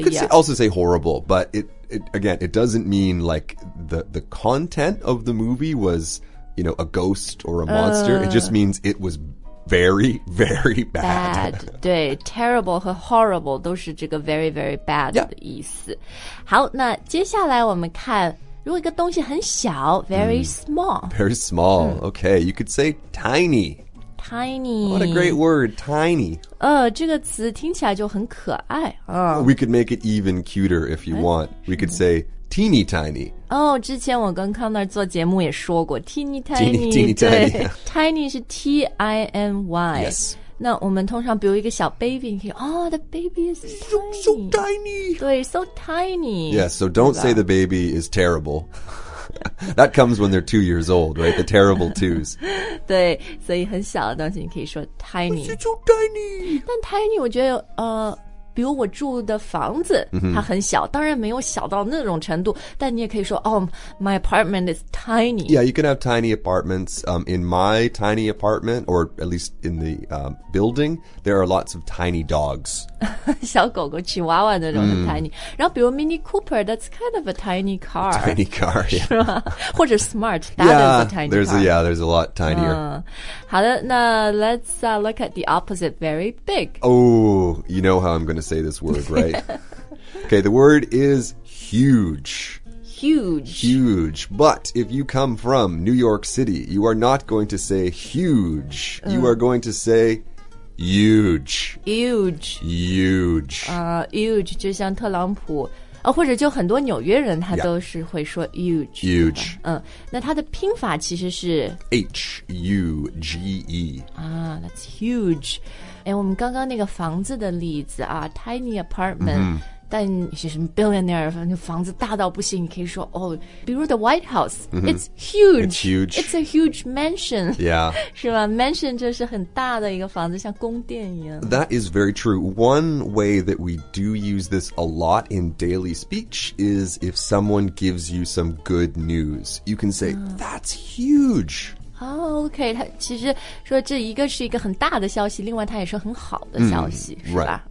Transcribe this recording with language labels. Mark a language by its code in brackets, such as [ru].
[en] You could also say horrible, but it doesn't mean like the content of the movie was, you know, a ghost or a monster. It just means it was very, very bad. [zh] 对 ,terrible 和 horrible 都是这个 very, very bad 的意思。好那接下来我们看如果一个东西很小 very small. [en] Very small, okay. You could say tiny. Tiny. What a great word, tiny. [zh] 这个词听起来就很可爱。 [en] We could make it even cuter if you want. We could say teeny tiny. [zh] 之前我跟康纳做节目也说过 teeny tiny. [en] Teeny tiny. [zh] Tiny 是 T-I-N-Y. [en] Yes. [zh] 那我们通常比如一个小 baby, 你可以 [en] the baby is tiny. So tiny. [zh] 对 so tiny. [en] Yes, so don't say the baby is terrible. That comes when they're 2 years old, right? The terrible twos. [zh] 对，所以很小的东西你可以说 tiny. [en] You're so tiny. [zh] 但 tiny 我觉得比如我住的房子、mm-hmm. 它很小，当然没有小到那种程度，但你也可以说 [en] Oh, my apartment is tiny. Yeah, you can have tiny apartments. In my tiny apartment, or at least in the building, there are lots of tiny dogs. [zh] 小狗狗吉娃娃那种很 tiny、mm-hmm. 然后比如 [en] Mini Cooper, that's kind of a tiny car. Tiny car, yeah. [zh] 或者 [en] Smart, that yeah, is a tiny there's car. A, yeah, there's a lot tinier.、 [zh] 好的，那 [en] let's、look at the opposite, very big. Oh, you know how I'm going to say this word, right? Okay, the word is huge. Huge. Huge. But if you come from New York City, you are not going to say huge.、You are going to say huge. Huge. Huge. [zh] Huge, 就像特朗普。或者就很多纽约人他都是会说 huge、 [en] yeah. Huge、 [zh] 那它的拼法其实是 [en] H-U-G-E、 That's huge、 [zh] 我们刚刚那个房子的例子啊 Tiny apartment、mm-hmm. 但其实 billionaire 房子大到不行你可以说、比如 the White House、mm-hmm. [en] It's huge It's huge It's a huge mansion Yeah [zh] 是吧 Mansion 就是很大的一个房子像宫殿一样 [en] That is very true One way that we do use this a lot in daily speech Is if someone gives you some good news You can say、That's huge [zh] OK 他其实说这一个是一个很大的消息另外他也说很好的消息、是吧、